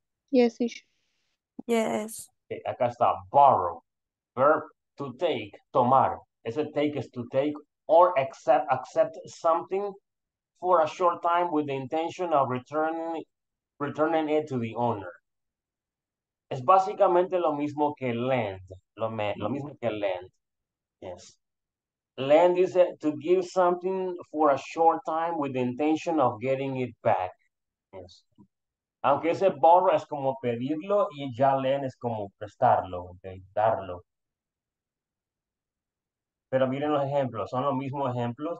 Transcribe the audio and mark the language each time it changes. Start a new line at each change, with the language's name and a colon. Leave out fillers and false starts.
English: Yes, yes.
Spanish: Okay, acá está, borrow,
English: verb to take,
Spanish: tomar.
English: Ese take is to take or accept something for a short time with the intention of returning it to the owner.
Spanish: Es básicamente lo mismo que lend, lo mismo que lend.
English: Yes. Lend is to give something for a short time with the intention of getting it back. Yes.
Spanish: Aunque ese borrow es como pedirlo y ya leen es como prestarlo, okay, darlo. Pero miren los ejemplos, son los mismos ejemplos.